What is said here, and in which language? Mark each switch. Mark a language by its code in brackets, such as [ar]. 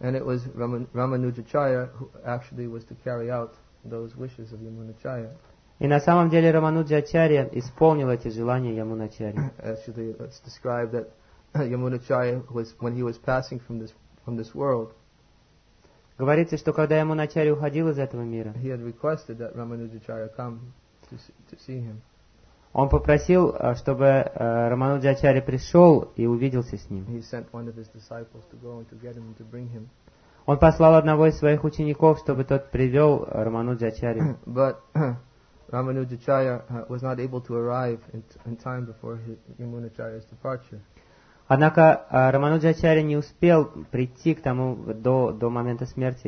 [ru] И это Рамануджачарья, который на самом деле должен был выполнить эти желания Ямуначарьи. И на самом деле Рамануджачарья исполнил эти желания Ямуначарьи. [en] Actually, it's described that Yamunacharya was when he was passing from this world. [ru] Говорится, что когда Ямуначарья уходил из этого мира, [en] he had requested that Рамануджачарья come to see him. [ru] Он попросил, чтобы Рамануджачарья пришел и увиделся с ним. [en] He sent one of his disciples to go and to get him and to bring him. [ru] Он послал одного из своих учеников, чтобы тот привел Рамануджачарья. [en] But Рамануджачарья was not able to arrive in time before Ямуначарья's departure. [ru] Однако Рамануджачарья не успел прийти к тому до момента смерти